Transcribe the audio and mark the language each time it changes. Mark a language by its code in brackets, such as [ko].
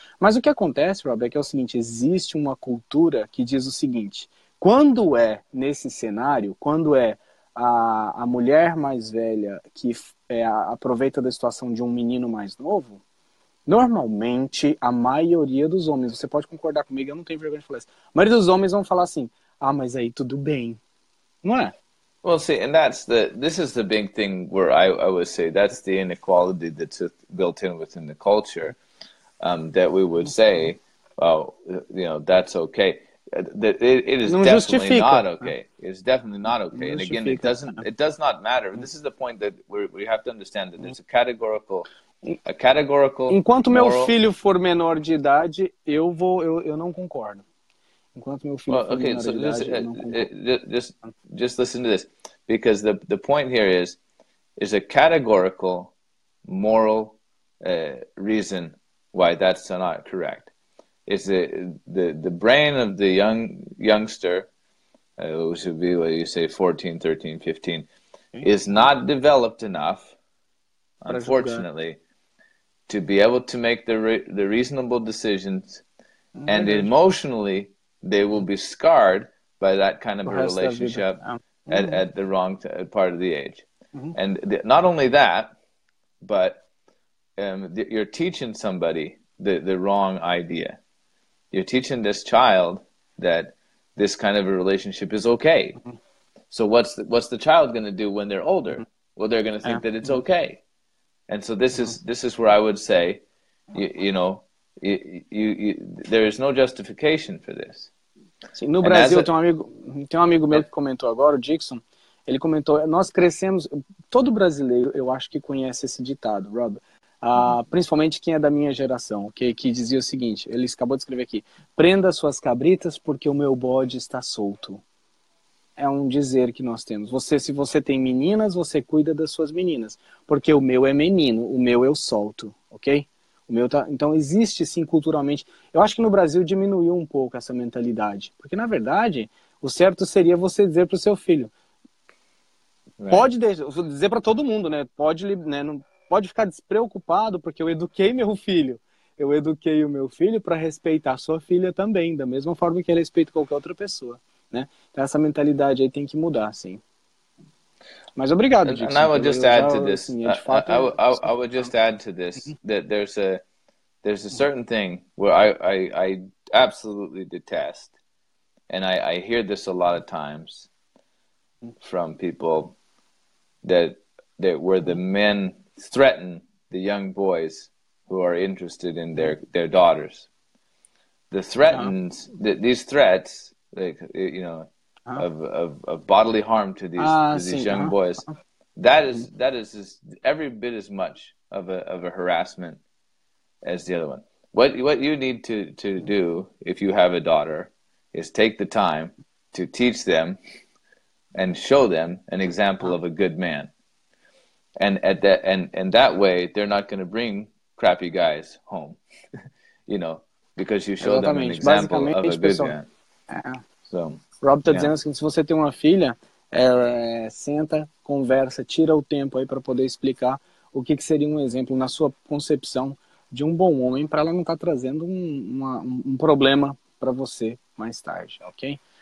[pt] Mas o que acontece, Rob, é que é o seguinte, existe uma cultura que diz o seguinte, quando é nesse cenário, quando é a mulher mais velha que aproveita da situação de um menino mais novo, normalmente, a maioria dos homens, você pode concordar comigo, eu não tenho vergonha de falar isso, a maioria dos homens vão falar assim, ah, mas aí tudo bem. Não é? [en] Well, see, and this is the big thing where I would say that's the inequality that's built in within the culture, that we would say, well, you know, that's okay. It is [pt] não [en] definitely [pt] justifica. [en] Not okay. It's definitely not okay. And again, it does not matter. This is the point that we have to understand that there's a categorical [pt] Enquanto moral... meu filho for menor de idade, eu não concordo. Enquanto meu filho for menor de idade, [en] just listen to this, because the point here is a categorical moral reason why that's not correct. It's the brain of the youngster, which would be what you say 14, 13, 15, okay. is not developed enough, unfortunately. To be able to make the reasonable decisions, mm-hmm. and emotionally they will be scarred by that kind of a relationship mm-hmm. at the wrong part of the age, mm-hmm. and not only that, but you're teaching somebody the wrong idea. You're teaching this child that this kind of a relationship is okay. Mm-hmm. So what's the child going to do when they're older? Mm-hmm. Well, they're going to think that it's mm-hmm. okay. And so this is where I would say, there is no justification for this. [pt] Sim, no Brasil, tem um amigo meu que comentou agora, o Dixon, ele comentou, nós crescemos, todo brasileiro, eu acho que conhece esse ditado, Rob, principalmente quem é da minha geração, que dizia o seguinte, ele acabou de escrever aqui, prenda suas cabritas porque o meu bode está solto. É um dizer que nós temos. Você, se você tem meninas, você cuida das suas meninas. Porque o meu é menino, o meu eu solto, ok? O Meu, tá? Então existe sim culturalmente. Eu acho que no Brasil diminuiu um pouco essa mentalidade. Porque, na verdade, o certo seria você dizer para o seu filho. Pode dizer para todo mundo, né? Pode, né? Não, pode ficar despreocupado, porque eu eduquei meu filho. Eu eduquei o meu filho para respeitar a sua filha também, da mesma forma que ele respeita qualquer outra pessoa. Né? Então essa mentalidade aí tem que mudar, sim. Mas obrigado, Dixon. [en] And I would just add to this. [pt] Assim, [en] I would just add to this that there's a certain thing where I absolutely detest, and I hear this a lot of times from people that where the men threaten the young boys who are interested in their daughters. The threatens these threats, like, you know. Huh? Of bodily harm to these young boys, that is every bit as much of a harassment as the other one. What you need to do if you have a daughter is take the time to teach them and show them an example of a good man, and that way they're not going to bring crappy guys home, you know, because you show them an example of a good man. So. [pt] Rob está dizendo assim, se você tem uma filha, senta, conversa, tira o tempo aí para poder explicar o que, que seria um exemplo na sua concepção de um bom homem para ela não estar trazendo um problema para você mais tarde, ok?